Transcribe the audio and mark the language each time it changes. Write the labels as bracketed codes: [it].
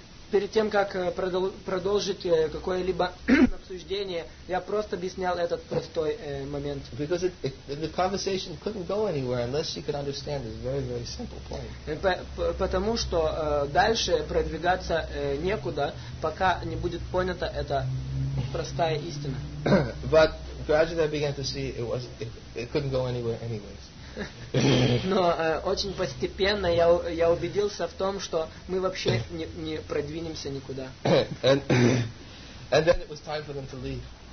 [ru] Перед тем, как продолжить какое-либо обсуждение, я просто объяснял этот простой момент. [en] Because the conversation couldn't go anywhere unless she could understand this very, very simple point. [ru] Потому что дальше продвигаться некуда, пока не будет понята эта простая истина. [en] But gradually I began to see it couldn't go anywhere anyways. [ru] Но очень постепенно я убедился в том, что мы вообще не продвинемся никуда. [en] And then it was time for them to leave.